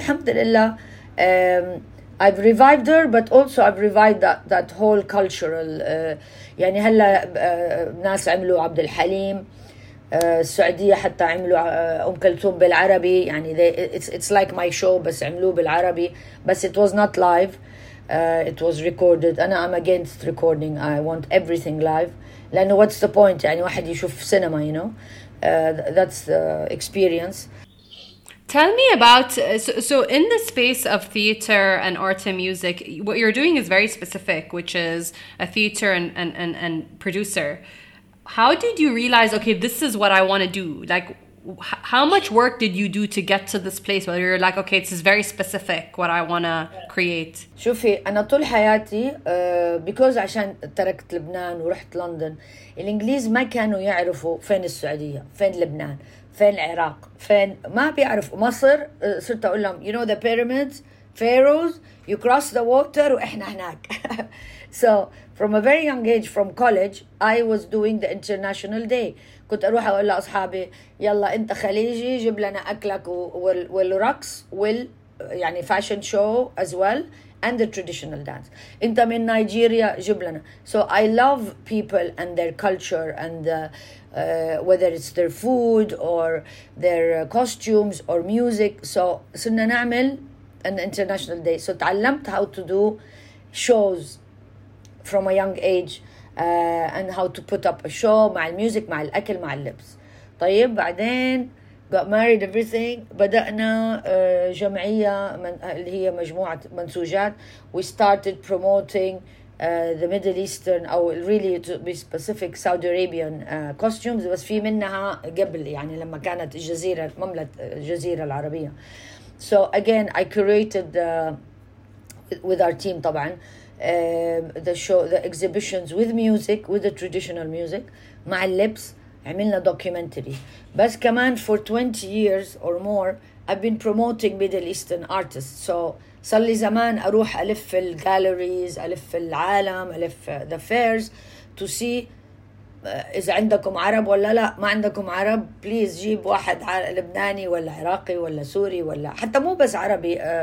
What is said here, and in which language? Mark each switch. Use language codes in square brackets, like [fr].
[en] Alhamdulillah, I've revived her, but also I've revived that whole cultural. [ar] يعني هلا ناس عملوا عبد الحليم السعودية حتى عملوا أم كلثوم بالعربي. [en] يعني it's like my show, [ar] بس عملوه بالعربي, [en] بس it was not live, it was recorded. أنا I'm against recording, I want everything live, لأنه what's the point, [ar] يعني واحد يشوف سينما, [en] you know, that's the experience. Tell me about, so in the space of theater and art and music, what you're doing is very specific, which is a theater and producer. How did you realize, okay, this is what I want to do? Like, how much work did you do to get to this place where you're like, okay, this is very specific what I want to create? [ar] شوفي, أنا طول حياتي, [en] because [ar] عشان تركت لبنان ورحت لندن, الإنجليز ما كانوا يعرفوا فين السعودية, فين لبنان, فين العراق, فين, ما بيعرفوا مصر. صرت أقول لهم, [en] you know the pyramids, pharaohs, you cross the water, [ar] وإحنا هناك. [en] So from a very young age, from college, I was doing the international day. [ar] كنت أروح أقول لأصحابي, يلا أنت خليجي, جيب لنا أكلك والرقص وال يعني [en] fashion show as well and the traditional dance. [ar] أنت من نيجيريا, جيب لنا. [en] So I love people and their culture and whether it's their food or their costumes or music. So [ar] صرنا نعمل [en] an international day. So [ar] تعلمت [en] how to do shows from a young age, and how to put up a show [ar] مع الميوزك مع الأكل مع اللبس. طيب بعدين [en] got married, everything. [ar] بدأنا جمعية اللي هي مجموعة منسوجات. [en] We started promoting the Middle Eastern, or really to be specific, Saudi Arabian costumes. [ar] بس في منها قبل, يعني لما كانت الجزيرة مملكة الجزيرة العربية. [en] So again, I curated with our team طبعا, the show, the exhibitions with music, with the traditional music, [ar] مع اللبس, عملنا [en] documentary. بس كمان for 20 years or more, I've been promoting Middle Eastern artists. [ar] So صار لي زمان أروح ألف الغاليريز, ألف العالم, ألف [en] the fairs to see [ar] إذا عندكم عرب ولا لا. ما عندكم عرب, بليز جيب واحد لبناني ولا عراقي ولا سوري ولا حتى مو بس عربي.